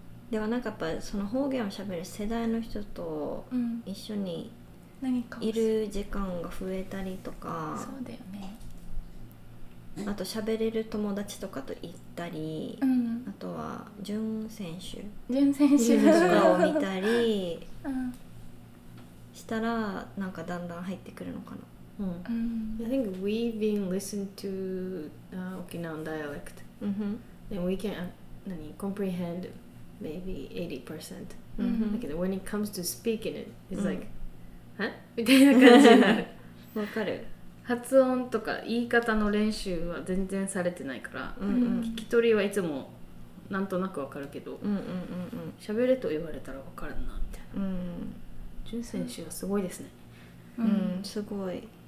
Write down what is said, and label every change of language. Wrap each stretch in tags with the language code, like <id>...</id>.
<ja>ではなんかやっぱその方言を喋る世代の人と一緒にいる時間が増えたりとか、そうだよね、あと喋れる友達とかと行ったり、うん、あとは純選手、純選手とかを見たりしたら、うん、なんかだんだん入ってくるのかな、</ja> <en>うん、I think we've been listening to Okinawan dialect、 mm-hmm. then we can comprehendMaybe 80%、 mm-hmm.</en> <ja>だけど</ja> <en>when it comes to speaking it, it's like、mm-hmm.</en> <ja>みたいな感じになる。わかる。発音とか言い方の練習は全然されてないから、 mm-hmm. 聞き取りはいつもなんとなくわかるけど、喋、 mm-hmm. れと言われたらわかるなみたいな。 Mm-hmm. 純選手はすごいですね。すごい。</ja>